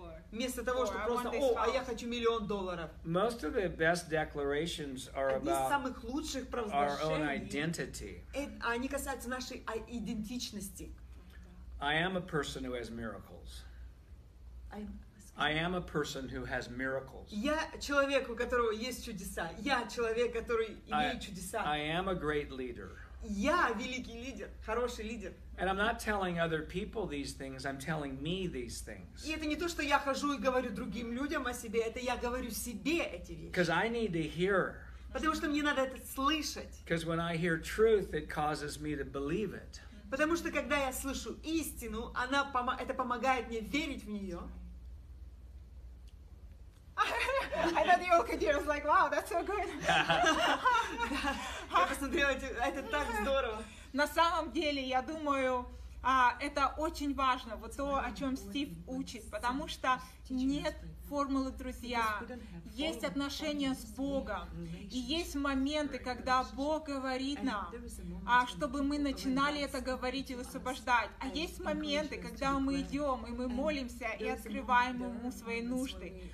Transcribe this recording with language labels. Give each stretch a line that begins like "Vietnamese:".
Russian: Вместо того, чтобы просто, о, а я хочу миллион долларов.
English: Most of the best declarations are about our own identity.
Russian: Они касаются нашей идентичности.
English: I am a person who has miracles. I am a person who has miracles.
Russian: Я человек, у которого есть чудеса. Я человек, который имеет чудеса.
English: I am a great leader.
Russian: Я великий лидер, хороший лидер.
English: And I'm not telling other people these things, I'm telling me these things.
Russian: И это не то, что я хожу и говорю другим людям о себе, это я говорю себе эти вещи.
English: Because I need to hear.
Russian: Потому что мне надо это слышать.
English: Because when I hear truth, it causes me to believe it.
Russian: Потому что когда я слышу истину, она это помогает мне верить в нее.
English: I thought you were okay, dear. I was like, wow, that's so good.
Russian: Я посмотрела, это так здорово. На самом деле, я думаю, это очень важно, вот то, о чем Стив учит, потому что нет формулы «друзья», есть отношения с Богом, и есть моменты, когда Бог говорит нам, чтобы мы начинали это говорить и высвобождать, а есть моменты, когда мы идем, и мы молимся, и открываем Ему свои нужды.